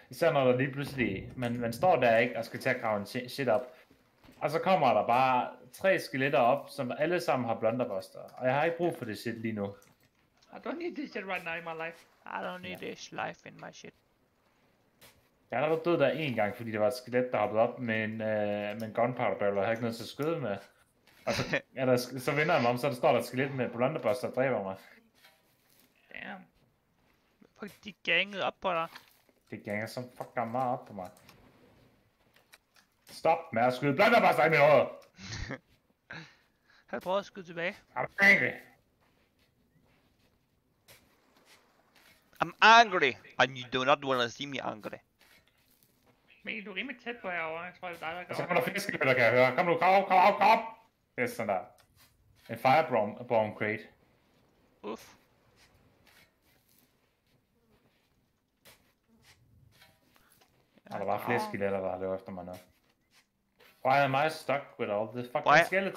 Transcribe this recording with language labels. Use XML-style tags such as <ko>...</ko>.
<da>Især når der lige pludselig, man står der ikke og skal til at grave en shit op. Og så kommer der bare tre skeletter op, som alle sammen har blunderbuster. Og jeg har ikke brug for det shit lige nu.</da> <en>I don't need this shit right now in my life. I don't need this life in my shit.</en> <da>Jeg er allerede død der en gang, fordi der var et skelet, der hoppede op med en gunpowder barrel, og havde ikke noget til at skyde med. Og så vender jeg mig om, så der står der et skelet med blunderbuster og dræber mig. Damn. Fuck, de gangede op på dig. De gangede så fucking meget op på mig. Stop med at skyde blunderbuster i min hoved! Har du prøvet at skyde tilbage? Er du angry?</da> <en>I'm angry, and you do not want to see me angry.</en> <da>Men du er rimelig tæt på herovre. Jeg tror, det er dig, der går. Så kommer der fiskegøtter, kan jeg høre. Kom nu, kom! Det er sådan der. En firebomb crate. Uff. Er der bare flere skeletter, der har løbet efter mig nu?</da> <en>Why am I stuck with all the fucking skeletons?</en>